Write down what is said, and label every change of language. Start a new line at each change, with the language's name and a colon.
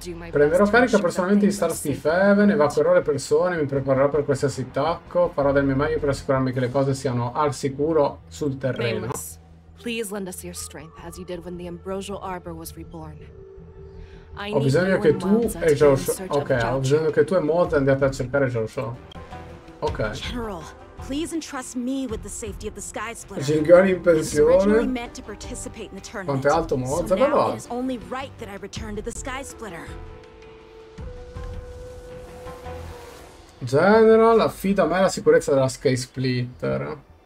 Italian: Prenderò carica personalmente di Starskiff Haven, evacuerò le persone, mi preparerò per qualsiasi attacco, farò del mio meglio per assicurarmi che le cose siano al sicuro sul terreno. Ho bisogno che tu e Maud andiate a cercare Joshua. Ok.
English: Please entrust me with the safety of the Sky Splitter.
Italian: Jingyuan in pensione.
English: Originally meant to participate in the tournament.
Italian: Quanto è alto Moz?
English: So now it is only right that I return to the Sky Splitter.
Italian: General, affida a me la sicurezza della Sky Splitter.